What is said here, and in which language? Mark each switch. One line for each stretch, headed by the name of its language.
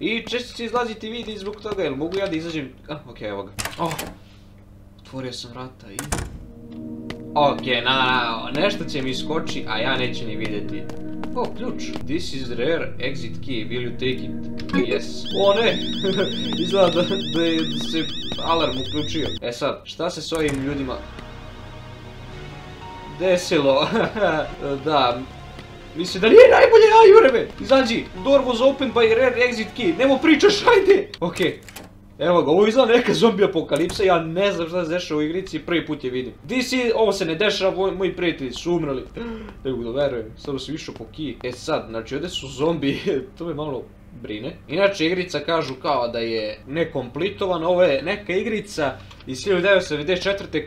Serbian: I često će izlaziti video zbog toga, jel mogu ja da izađem? Okej, evo ga. Otvorio sam vrata i... Okej, nešto će mi iskoči, a ja neću ni vidjeti. O, ključ.
English: This is rare exit key, will you take it? Yes.
Serbian: O, ne! Izgleda da je se alarm uključio. E sad, šta se s ovim ljudima... desilo? Da... Mislim da nije najbolje, a jure me! Izađi!
English: Door was opened by rare exit key,
Serbian: nemo pričaš, hajde! Okej. Evo ga, ovo izgleda neka zombi apokalipsa, ja ne znam šta se dešava u igrici, prvi put je vidim.
English: This is,
Serbian: ovo se ne dešava, moji prijatelji su umrali. Ne mogu da verujem, samo se više po kiji. E sad, znači ovdje su zombi, to me malo brine. Inače, igrica kažu kao da je nekompletovana, ovo je neka igrica iz 1994.